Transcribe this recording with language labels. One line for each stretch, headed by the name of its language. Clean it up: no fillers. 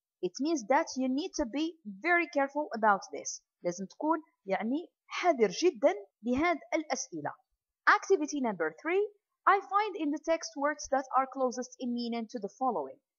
English: It means that you need to be very careful about this.
Arabic: لازم تكون يعني حذر جدا لهذه الأسئلة.
English: Activity number 3. I find in the text words that are closest in meaning to the following.